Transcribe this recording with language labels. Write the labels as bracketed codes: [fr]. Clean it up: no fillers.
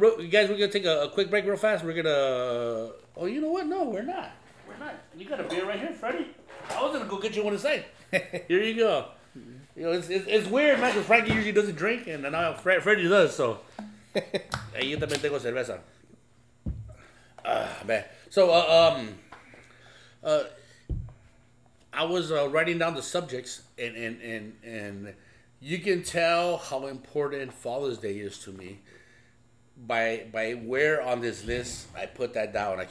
[en] You guys, we're going to take a quick break real fast. We're going to... Oh, you know what? No, we're not. You got a beer right here, Freddie. I was going to go get you one inside. Here you go. You know, it's weird, man, because Frankie usually doesn't drink, and now Freddie does, so... [es] Hey, yo también tengo cerveza. [en] Man. So, I was writing down the subjects, and you can tell how important Father's Day is to me. By where on this list I put that down.